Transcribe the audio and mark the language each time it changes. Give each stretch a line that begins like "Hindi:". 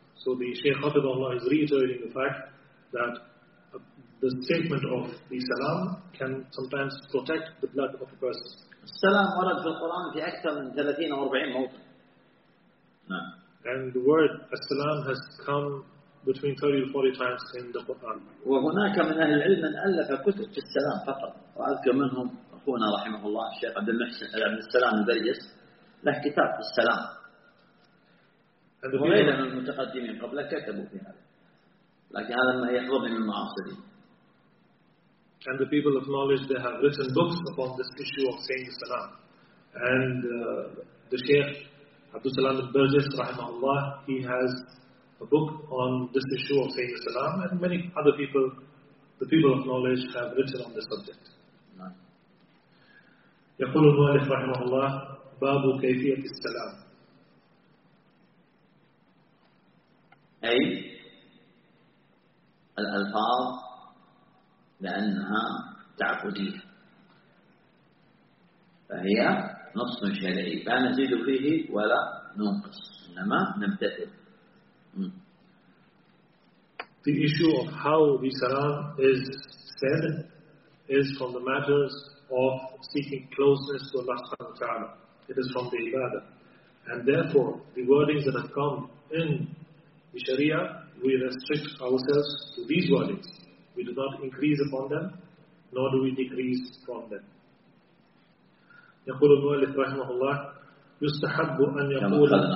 English: So the Shaykh Hafid Allah is reiterating the fact that the statement of the salam can sometimes protect the blood of a person.
Arabic: Salam warad fil Quran fi akthar min 30 aw 40 mawdi'.
English: And the word as-salam has come between 30 to 40 times in the Quran.
Arabic: وهناك من أهل العلم من ألف كتب في السلام فقط. وأذكر منهم أخونا رحمه الله الشيخ عبد المحسن عبد السلام البرجس له كتاب في السلام. وغيره من المتقدمين قبل كتبوا في هذا. لكن هذا ما يحضرني من المعاصرين.
English: And the people of knowledge, they have written books upon this issue of saying salam. And the Shaykh Abdul Salam al-Burjis, rahimahullah, he has a book on this issue of saying the salam, and many other people, the people of knowledge, have written on this subject.
Arabic: يقول المؤلف رحمه الله باب كيفية السلام. أي الألفاظ لأنها تعبدية فهي نص شرعي لا نزيد فيه ولا ننقص إنما نمتثل.
English: The issue of how the salam is said is from the matters of seeking closeness to Allah subhanahu wa ta'ala. It is from the ibadah. And therefore, the wordings that have come in the Sharia, we restrict ourselves to these wordings. We do not increase upon them, nor do we decrease from them.
Arabic: يقول المؤلف رحمه الله يستحب أن يقول